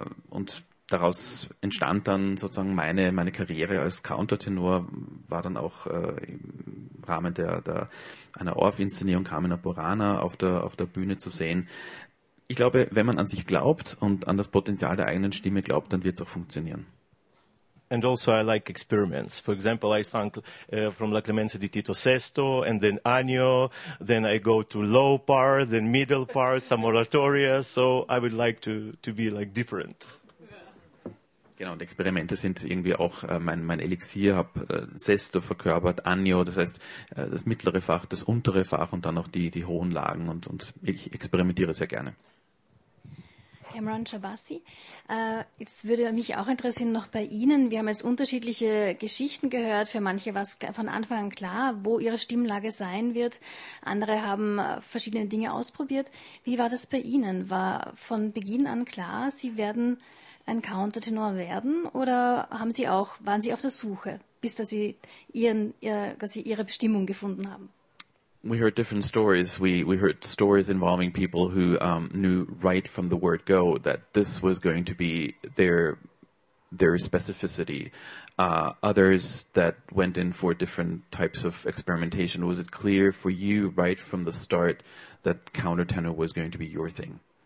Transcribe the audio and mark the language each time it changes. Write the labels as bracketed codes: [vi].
[de] Und daraus entstand dann sozusagen meine Karriere als Countertenor, war dann auch im Rahmen einer Orff-Inszenierung Carmina Burana auf der Bühne zu sehen. Ich glaube, wenn man an sich glaubt und an das Potenzial der eigenen Stimme glaubt, dann wird es auch funktionieren. [en] And also I like experiments. For example, I sang from La Clemenza di Tito Sesto, and then Anio, then I go to low part, then middle part, some oratoria, so I would like to be like different. [de] Genau, und Experimente sind irgendwie auch mein Elixier, habe Sesto verkörpert, Anio, das heißt das mittlere Fach, das untere Fach und dann auch die hohen Lagen und ich experimentiere sehr gerne. Imran Chabassi, jetzt würde mich auch interessieren noch bei Ihnen, wir haben jetzt unterschiedliche Geschichten gehört, für manche war es von Anfang an klar, wo Ihre Stimmlage sein wird, andere haben verschiedene Dinge ausprobiert, wie war das bei Ihnen, war von Beginn an klar, Sie werden ein Countertenor werden oder waren Sie auf der Suche, bis dass Sie Ihre Bestimmung gefunden haben? [en] We heard different stories. We heard stories involving people who knew right from the word go that this was going to be their specificity. Others that went in for different types of experimentation. Was it clear for you right from the start that countertenor was going to be your thing?